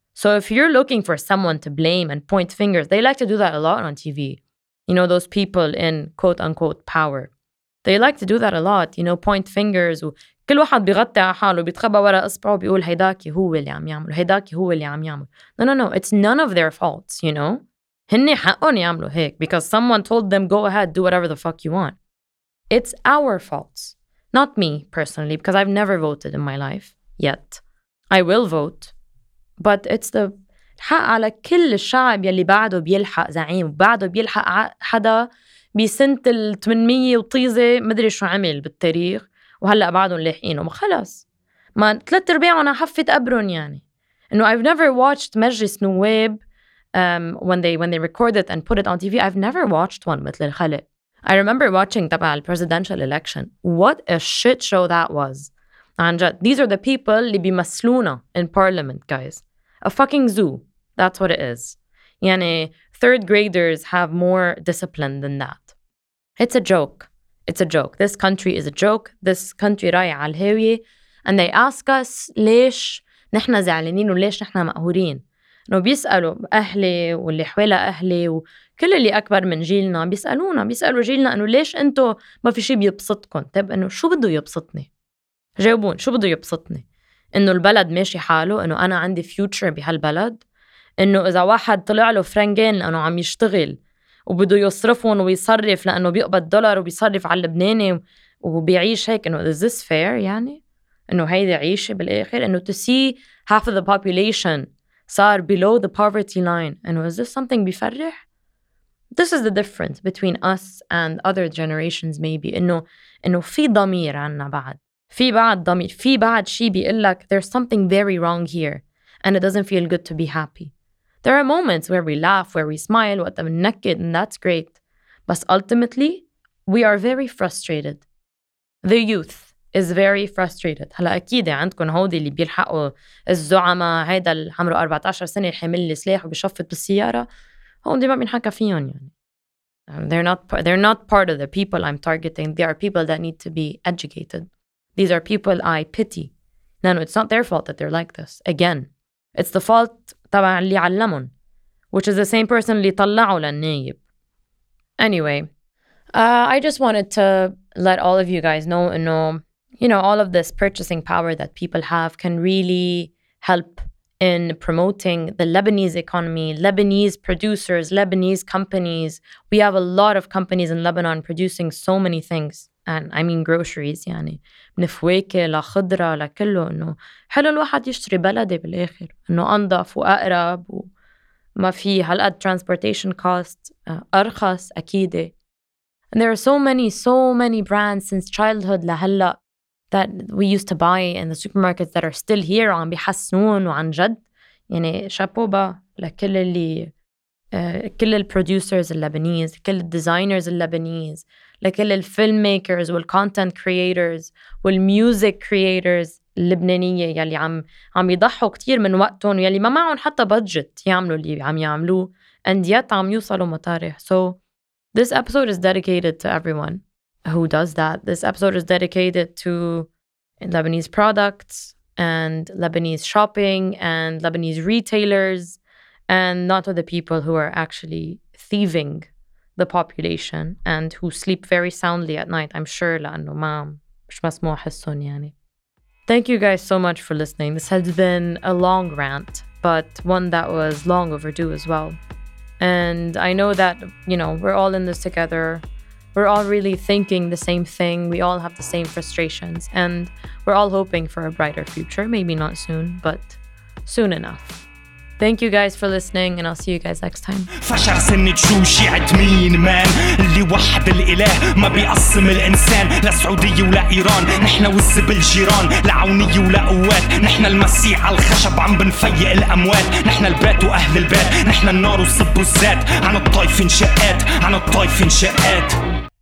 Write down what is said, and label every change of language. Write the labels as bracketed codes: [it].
[en] So, if you're looking for someone to blame and point fingers, they like to do that a lot on TV. You know, those people in quote-unquote power. They like to do that a lot, you know, point fingers. [ar] كل واحد بيغطي على حاله بيتخبى وراء أصبعه بيقول هيداكي هو اللي عم يعمل، هيداكي هو اللي عم يعمل. [en] No, no, no, it's none of their faults, you know. [ar] هني حقهم يعملوا هيك [en] because someone told them go ahead, do whatever the fuck you want. It's our faults. Not me, personally, because I've never voted in my life yet. I will vote. But it's the [ar] حق على كل الشعب يلي بعده بيلحق زعيم وبعده بيلحق حدا بسنة ال 800 وطيزة مدري شو عمل بالتاريخ وهلأ بعدهم لاحقينه. ما خلص، ما ثلاث أرباعهم حفة قبرهم يعني. إنه [en] I've never watched مجلس نواب when they record it and put it on TV. I've never watched one [ar] مثل الخلق. [en] I remember watching [ar] تبع ال [en] presidential election. What a shit show that was. [ar] عنجد [en] these are the people [ar] اللي بيمثلونا [en] in parliament guys. A fucking zoo. That's what it is. يعني third graders have more discipline than that. It's a joke. It's a joke. This country is a joke. This country [ar] راي على الهاوية. [en] And they ask us [ar] ليش نحنا زعلانين وليش نحنا مقهورين. إنه بيسألوا أهلي واللي حوالى أهلي وكل اللي أكبر من جيلنا بيسألونا، بيسألوا جيلنا إنه ليش أنتوا ما في شيء بيبسطكم. طيب إنه شو بده يبسطني؟ جاوبون شو بده يبسطني؟ إنه البلد ماشي حاله، إنه أنا عندي [en] future [ar] بهالبلد، إنه إذا واحد طلع له فرنجين لأنه عم يشتغل وبده يصرفهم ويصرف لأنه بيقبض دولار وبيصرف على اللبناني وبيعيش هيك، إنه [en] is this fair [ar] يعني؟ إنه هيدي عيشة بالآخر؟ إنه [en] to see half of the population [ar] صار [en] below the poverty line، [ar] إنه [en] is this something [ar] بيفرح؟ [en] This is the difference between us and other generations maybe، [ar] إنه في ضمير عنا بعد، في بعد ضمير، في بعد شي بيقلك [en] there's something very wrong here and it doesn't feel good to be happy. There are moments where we laugh, where we smile, what I'm naked, and that's great. But ultimately, we are very frustrated. The youth is very frustrated. [ar] هلا أكيد عندكم هودي اللي بيلحقوا الزعماء هيدا اللي عمره 14 سنة حامل السلاح وبيشفط بالسيارة. هودي ما بينحكى فيهم يعني. [en] They're not part of the people I'm targeting. They are people that need to be educated. These are people I pity. No, it's not their fault that they're like this. Again, it's the fault [ar] طبعا اللي علمهم، [en] which is the same person [ar] اللي طلعوا للنايب. [en] Anyway, I just wanted to let all of you guys know, you know, all of this purchasing power that people have can really help in promoting the Lebanese economy, Lebanese producers, Lebanese companies. We have a lot of companies in Lebanon producing so many things. And I mean groceries, [ar] يعني من فواكه لخضرة لكله، إنه حلو الواحد يشتري بلده بالآخر، إنه أنظف وأقرب وما في هالقد [en] transportation cost، [ar] أرخص أكيد. [en] And there are so many brands since childhood [ar] لهلا [en] that we used to buy in the supermarkets that are still here [ar] عم بيحسنون وعن جد يعني شابوبا لكل اللي كل ال producers اللبنانيين، كل ال designers اللبنانيين، لكل الفيلم ميكرز والكونتنت كرييترز والميوزك كرييترز اللبنانية يلي عم يضحوا كتير من وقتهم يلي ما معهم حتى بادجت يعملوا اللي عم يعملوه [en] and yet [ar] عم يوصلوا مطارح. [en] So this episode is dedicated to everyone who does that. This episode is dedicated to Lebanese products and Lebanese shopping and Lebanese retailers and not to the people who are actually thieving the population and who sleep very soundly at night, I'm sure, [ar] لأنه ما مش مسموح حسون يعني. [en] Thank you guys so much for listening. This has been a long rant, but one that was long overdue as well. And I know that, you know, we're all in this together. We're all really thinking the same thing. We all have the same frustrations and we're all hoping for a brighter future. Maybe not soon, but soon enough. Thank you guys for listening and I'll see you guys next time. [ar] فشر سن تشوشي عد مين مان اللي وحد الاله ما بيقسم الانسان لا سعودي ولا ايران نحن والزبل جيران لا عوني ولا قوات نحن المسيح على الخشب عم بنفيق الاموات نحن البيت واهل البيت نحن النار والصب والزيت عن الطايفين شقات عن الطايفين شقات